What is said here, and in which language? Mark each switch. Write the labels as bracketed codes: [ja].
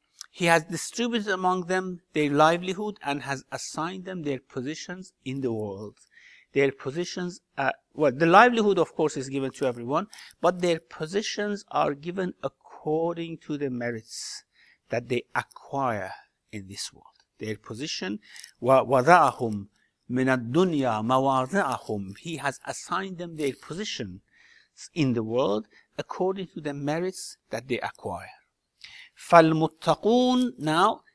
[en] He has distributed among them their livelihood and has assigned them their positions in the world. Their positions, the livelihood of course is given to everyone, but their positions are given according to the merits that they acquire in this world. Their position, [ar] وَضَعَهُمْ مِنَ الدُّنْيَا مَوَاضِعَهُمْ. [en] He has assigned them their position in the world according to the merits that they acquire. فَالْمُتَّقُونَ, now